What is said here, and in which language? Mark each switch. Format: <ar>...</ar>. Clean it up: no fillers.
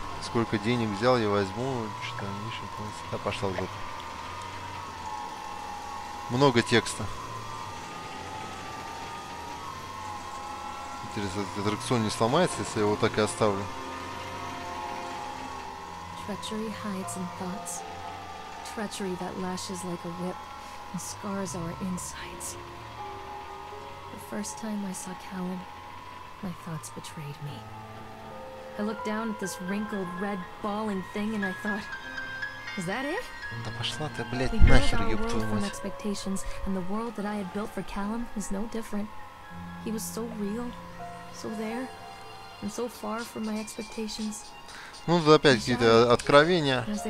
<ru>Сколько денег взял, я возьму. Что-то ниша. Да, пошла в жопу. Много текста. Интересно, этот аттракцион не сломается, если я его так и оставлю.</ru> <en>Treachery hides in thoughts. Treachery that lashes like a whip and scars our insides. The first time I saw Callan, my thoughts betrayed me. I looked down at this wrinkled red balling thing and I thought, is that it?</en> <ru>Да пошла ты, блядь, нахер, ёб твою мать.</ru> <en>From expectations, and the world that I had built for Callan was no different. He was so real. So there, and so far from my expectations.</en> <ru>Ну, тут опять какие-то откровения.</ru>